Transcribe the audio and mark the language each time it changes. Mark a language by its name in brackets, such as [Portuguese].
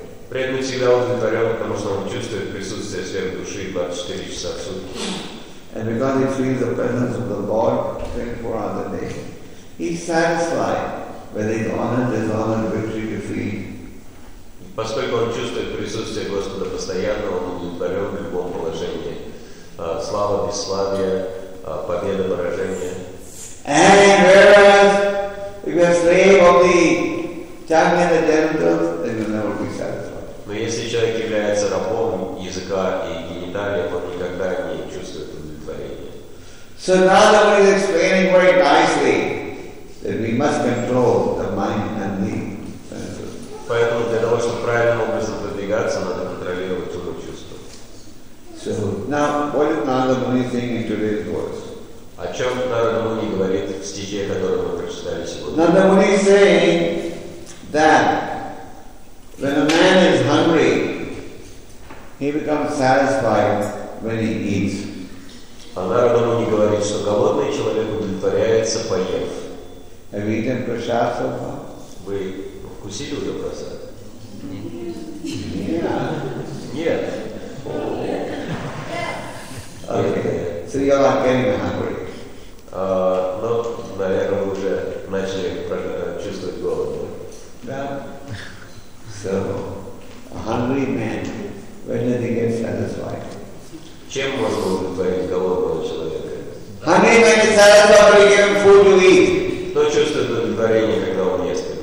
[Russian] Преданный всегда удовлетворен, потому что он чувствует присутствие своей души 24 часа в сутки. [English] And because he feels the presence of the Lord 24 hours a day, he's satisfied with his honor, dishonor, victory, defeat. [Russian] Поскольку он чувствует присутствие Господа постоянно, он удовлетворен в любом положении. Слава, бесславие, победа, поражение. [English] And whereas if you're a slave of the tongue and the genitals, then you'll never be satisfied. [Russian] Но если человек является рабом языка и гениталий, он никогда не чувствует удовлетворения. [English] So now that we're explaining very nicely that we must control the mind and the [Russian] поэтому для того, чтобы правильным образом продвигаться, надо контролировать ум и чувство. [English] So, now, what is Narada Muni saying in today's words? [Russian] О чем Narada Muni говорит в стихе, который мы прочитали сегодня? [English] Narada Muni is saying that when a man is hungry, he becomes satisfied when he eats. [Russian] А Narada Muni говорит, что голодный человек удовлетворяется, поев. [English] Have you eaten prasad so far? [Russian] Вы вкусили уже просад? Нет. Нет. [English] Окей. So you're not getting hungry. [Russian] Ну, наверное, вы уже начали чувствовать голод. Да. [English] So, a hungry man, when does he get satisfied? [Russian] Чем можно удовлетворить голодного человека? [English] Hungry man is satisfied when you give him food to eat. [Russian] Кто чувствует удовлетворение, когда он ест?